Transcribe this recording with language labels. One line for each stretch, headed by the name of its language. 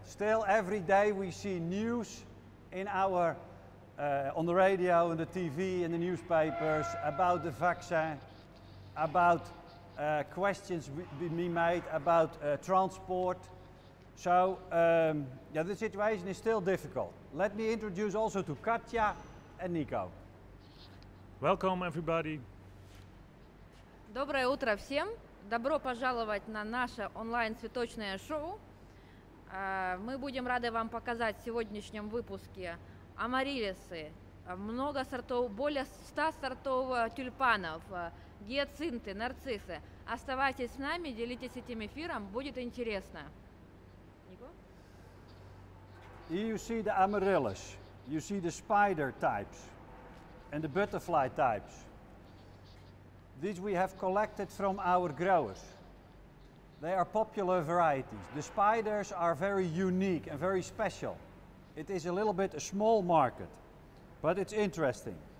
English: Still every day we see news in our on the radio, in the TV, in the newspapers about the vaccine, about questions being made about transport. So yeah, the situation is still difficult. Let me introduce also to Katja and Nico. Welcome everybody.
Russian: Доброе утро всем. Добро пожаловать на наше онлайн цветочное шоу. Мы будем рады вам показать в сегодняшнем выпуске амариллисы, много сортов, более 100 сортов тюльпанов, гиацинты, нарциссы. Оставайтесь с нами, делитесь этим эфиром, будет интересно.
English: Nico? You see the amaryllis, you see the spider types and the butterfly types. These we have collected from our growers. They are popular varieties. The spiders are very unique and very special. It is a little bit a small market, but it's interesting.